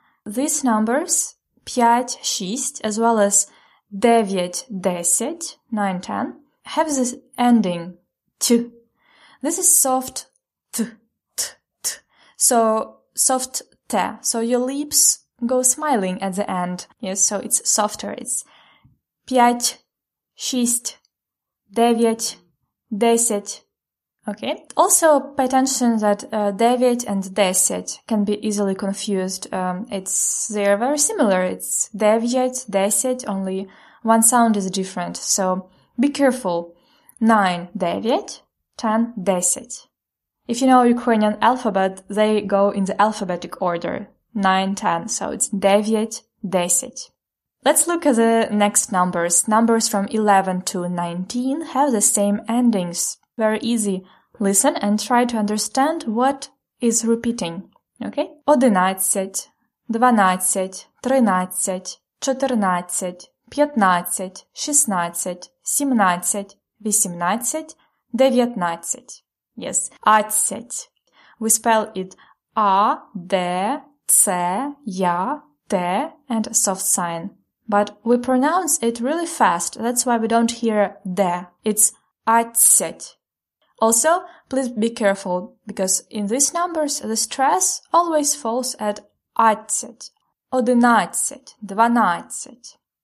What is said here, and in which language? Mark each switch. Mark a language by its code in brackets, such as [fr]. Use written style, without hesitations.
[en] These numbers, [uk] п'ять, шість, [en] as well as [uk] дев'ять, десять, [en] 9, 10, have this ending, т. This is soft т, т, т. So, soft т. So, your lips go smiling at the end. Yes, so it's softer. [uk] It's п'ять, шість, дев'ять, десять. [en] Okay. Also, pay attention that [uk] дев'ять [en] and [uk] десять [en] can be easily confused. They are very similar. It's [uk] дев'ять, десять, [en] only one sound is different. So, be careful. 9, дев'ять, 10, десять. If you know Ukrainian alphabet, they go in the alphabetic order. 9, 10, so it's [uk] дев'ять, десять. [en] Let's look at the next numbers. Numbers from 11 to 19 have the same endings. Very easy. Listen and try to understand what is repeating. Okay? [uk] Одинадцять, дванадцять, тринадцять, чотирнадцять, п'ятнадцять, шістнадцять, сімнадцять, вісімнадцять, дев'ятнадцять. [en] Yes, адцять. We spell it A, D, C, Я, Т, and a soft sign. But we pronounce it really fast, that's why we don't hear de. It's адцять. Also, please be careful, because in these numbers, the stress always falls at адцять. [uk] Одинадцять, дванадцять.